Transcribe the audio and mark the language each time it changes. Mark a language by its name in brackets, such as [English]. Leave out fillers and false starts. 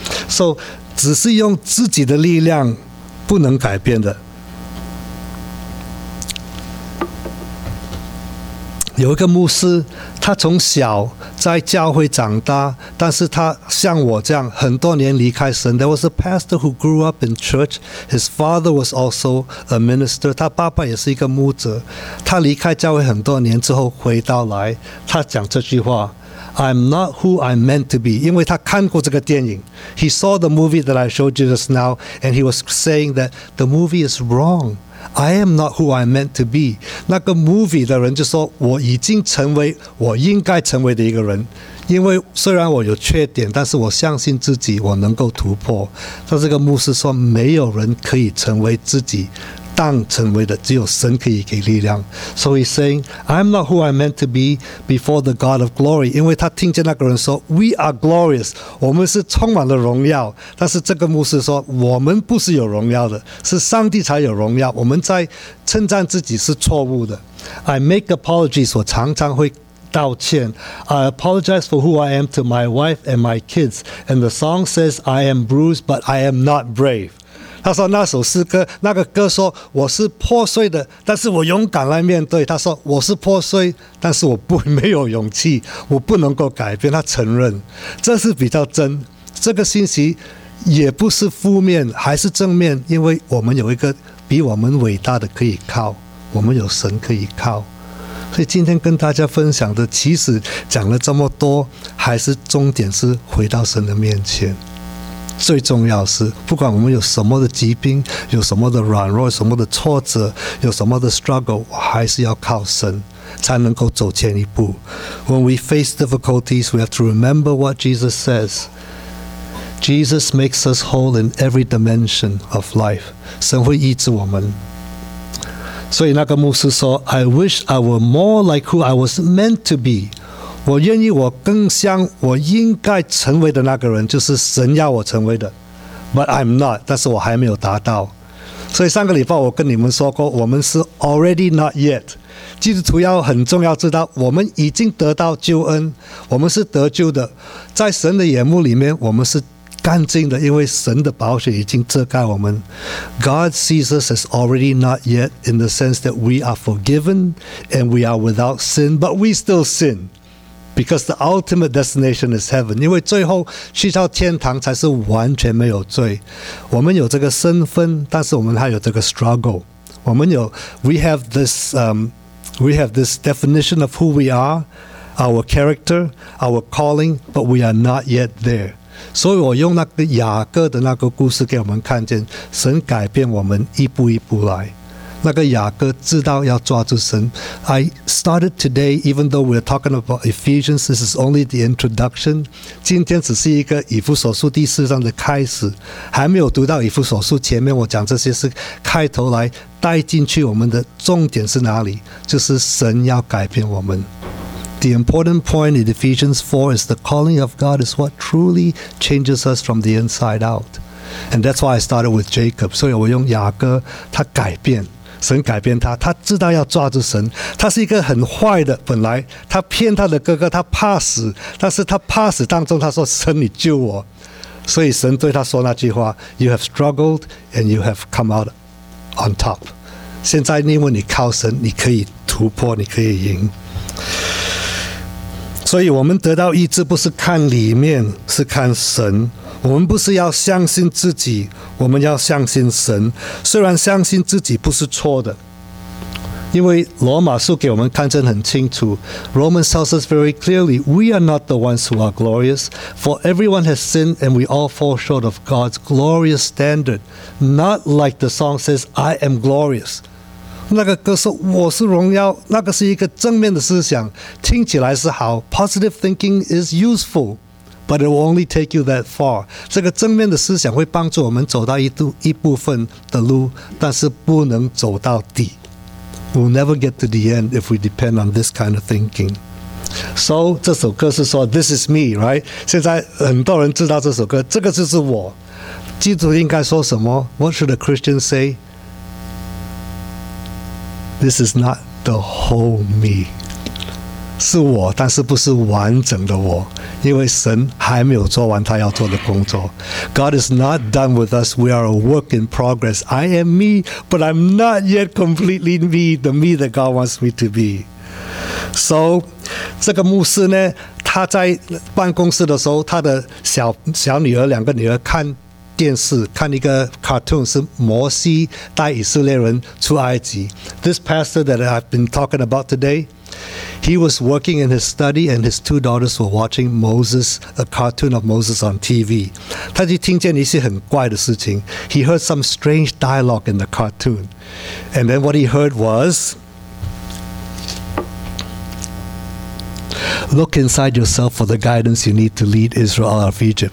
[Chinese] So 只是用自己的力量不能改变的。有一个牧师，他从小在教会长大，但是他像我这样很多年离开神。 [English] There was a pastor who grew up in church. His father was also a minister. [Chinese] 他爸爸也是一个牧者。他离开教会很多年之后回到来，他讲这句话， [English] I'm not who I'm meant to be. [Chinese] 因为他看过这个电影， [English] He saw the movie that I showed you just now, and he was saying that the movie is wrong. I am not who I'm meant to be. [Chinese] 那个 movie 的人就说，我已经成为我应该成为的一个人，因为虽然我有缺点，但是我相信自己我能够突破。但这个牧师说，没有人可以成为自己当成为的，只有神可以给力量。 [English] So he's saying, I'm not who I'm meant to be before the God of glory. [Chinese] 因为他听见那个人说， [English] We are glorious. [Chinese] 我们是充满了荣耀。但是这个牧师说，我们不是有荣耀的，是上帝才有荣耀。我们在称赞自己是错误的。 [English] I make apologies. [Chinese] 我常常会道歉。 [English] I apologize for who I am to my wife and my kids. And the song says, I am bruised, but I am not brave. [Chinese] 他说那首诗歌，那个歌说我是破碎的，但是我勇敢来面对。他说我是破碎，但是我不没有勇气，我不能够改变。他承认，这是比较真。这个信息也不是负面，还是正面，因为我们有一个比我们伟大的可以靠，我们有神可以靠。所以今天跟大家分享的，其实讲了这么多，还是重点是回到神的面前。最重要是，不管我们有什么的疾病，有什么的软弱，什么的挫折，有什么的 struggle， 我还是要靠神才能够走前一步。 [English] When we face difficulties, we have to remember what Jesus says. Jesus makes us whole in every dimension of life. [Chinese] 神会医治我们。所以那个牧师说， [English] I wish I were more like who I was meant to be. [Chinese] 我愿意我更像我应该成为的那个人，就是神要我成为的。 [English] But I'm not， [Chinese] 但是我还没有达到。所以上个礼拜我跟你们说过，我们是 [English] already not yet。 [Chinese] 基督徒要很重要知道，我们已经得到救恩，我们是得救的，在神的眼目里面我们是干净的，因为神的宝血已经遮盖我们。 [English] God sees us as already not yet in the sense that we are forgiven and we are without sin, but we still sin because the ultimate destination is heaven. [Chinese] 因为最后去到天堂才是完全没有罪。我们有这个身份，但是我们还有这个 struggle。我们有 [English] we have this definition of who we are, our character, our calling, but we are not yet there. [Chinese] 所以我用那个雅各的那个故事给我们看见，神改变我们一步一步来。那个雅各知道要抓住神。 [English] I started today, even though we're talking about Ephesians, this is only the introduction. [Chinese] 今天只是一个以弗所书第四章的开始，还没有读到以弗所书前面我讲这些是开头来带进去。我们的重点是哪里？就是神要改变我们。 [English] The important point in Ephesians 4 is the calling of God is what truly changes us from the inside out. And that's why I started with Jacob. [Chinese] 所以我用雅各，他改变，神改变他，他知道要抓住神。他是一个很坏的，本来他骗他的哥哥，他怕死，但是他怕死当中他说，神你救我。所以神对他说那句话， [English] You have struggled and you have come out on top. [Chinese] 现在因为你靠神，你可以突破，你可以赢。所以我们得到医治不是看里面，是看神。我们不是要相信自己，我们要相信神。虽然相信自己不是错的，因为罗马书给我们看见很清楚， [English] Romans tells us very clearly, we are not the ones who are glorious, for everyone has sinned and we all fall short of God's glorious standard. Not like the song says, I am glorious. [Chinese] 那个歌手我是荣耀，那个是一个正面的思想，听起来是好。 [English] Positive thinking is useful, but it will only take you that far. [Chinese] 这个正面的思想会帮助我们走到 一部分的路，但是不能走到底。 [English] We'll never get to the end if we depend on this kind of thinking. So [Chinese] 这首歌是说 [English] This is me, right? [Chinese] 现在很多人知道这首歌，这个就是我。基督徒应该说什么？ [English] What should a Christian say? This is not the whole me. [Chinese] 是我，但是不是完整的我，因为神还没有做完他要做的工作。 [English] God is not done with us. We are a work in progress. I am me, but I'm not yet completely me, the me that God wants me to be. [Chinese] So, 这个牧师呢，他在办公室的时候，他的 小女儿，两个女儿看电视，看一个 cartoon， 是摩西带以色列人出埃及。 [English] This pastor that I've been talking about today, he was working in his study and his two daughters were watching Moses, a cartoon of Moses on TV. [Chinese] 他就听见一些很怪的事情。 [English] He heard some strange dialogue in the cartoon. And then what he heard was, Look inside yourself for the guidance you need to lead Israel out of Egypt.